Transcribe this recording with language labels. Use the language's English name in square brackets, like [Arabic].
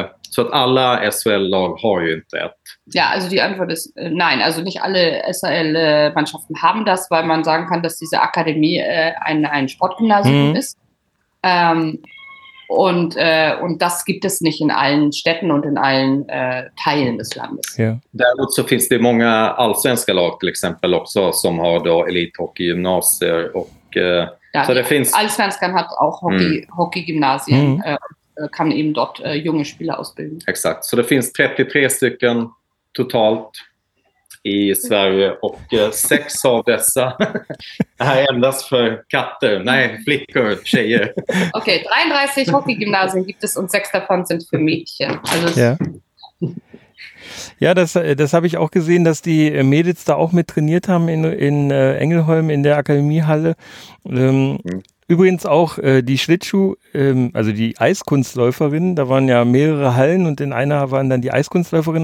[Swedish] Så att alla SHL-lag har ju inte ett. [German] Ja, also die Antwort ist nein, also nicht alle SHL-Mannschaften haben das, weil man sagen kann, dass diese Akademie ein Sportgymnasium ist. Und das gibt es nicht in allen Städten und in allen Teilen des Landes. Ja. [Swedish] Däremot så finns det många allsvenska lag till exempel också som har då elithockeygymnasier och ja, det finns allsvenskan [German] hat auch Hockeygymnasien kann eben dort junge Spieler ausbilden. [Swedish] Exakt. Så det finns 33 stycken totalt i Sverige och sex av dessa är endast för katter, nej, flickor, tjejer. [German] Okej, 33 hockeygymnasien gibt es und 6 davon sind für Mädchen. Also ja. Ja, das habe ich auch gesehen, dass die Mädels da auch mit trainiert haben in Engelholm in der Akademiehalle. Übrigens auch die Schlittschuh, also die Eiskunstläuferinnen, da waren ja mehrere Hallen und in einer waren dann die Eiskunstläuferinnen.